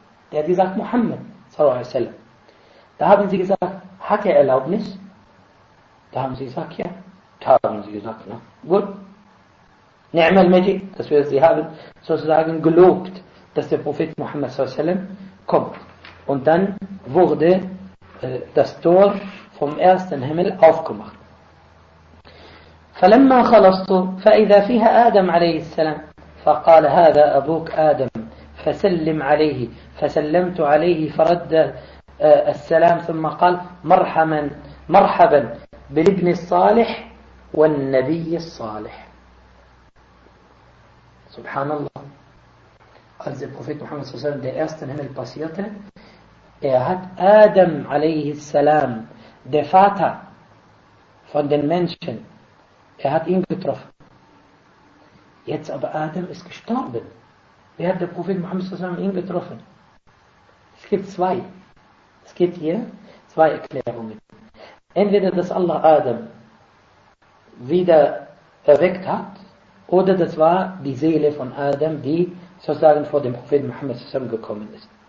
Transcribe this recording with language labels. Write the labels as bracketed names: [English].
[German] Der hat gesagt, Muhammad, sallallahu alaihi wasallam. Da haben sie gesagt, hat er Erlaubnis? Da haben sie gesagt, ja. Da haben sie gesagt, na, gut. Ni'm al-Majid, dass wir sie haben sozusagen gelobt, dass der Prophet Muhammad, sallallahu alaihi wasallam, kommt. Und dann wurde das Tor vom ersten Himmel aufgemacht. [Arabic] فلما خلصت فإذا فيها آدم عليه السلام فقال هذا أبوك آدم فسلم عليه فسلمت عليه فرد السلام ثم قال مرحبا مرحبا بالابن الصالح والنبي الصالح سبحان الله [German] als der Prophet Muhammad [Arabic] صلى الله عليه وسلم [German] der ersten Himmel passierte hat Adam [Arabic] عليه السلام [German] der Vater von den Menschen hat ihn getroffen. Jetzt aber Adam ist gestorben. Wer hat der Prophet Muhammad zusammen ihn getroffen? Es gibt zwei. Es gibt hier zwei Erklärungen. Entweder, dass Allah Adam wieder erweckt hat, oder das war die Seele von Adam, die sozusagen vor dem Prophet Muhammad zusammen gekommen ist.